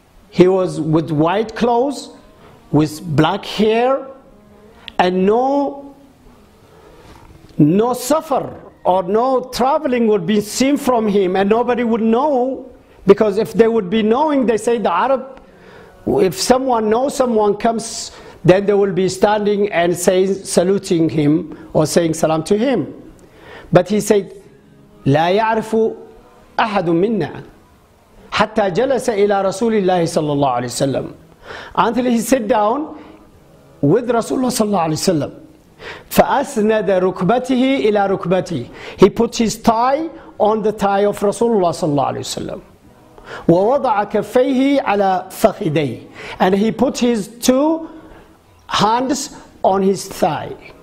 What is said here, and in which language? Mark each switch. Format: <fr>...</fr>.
<en>He was with white clothes, with black hair, and no suffer or no traveling would be seen from him, and nobody would know, because if they would be knowing, they say the Arab, if someone knows someone comes, then they will be standing and say, saluting him or saying salam to him. But he said,</en> <ar>لا يعرف أحد منا حتى جلس إلى رسول الله صلى الله عليه وسلم.</ar> <en>Until he sat down with Rasulullah صلى الله عليه وسلم.</en> <ar>فأسند ركبته إلى ركبته.</ar> <en>He put his thigh on the thigh of Rasulullah صلى الله عليه وسلم.</en> <ar>ووضع كفيه على فخذي.</ar> <en>And he put his two hands on his thigh.</en>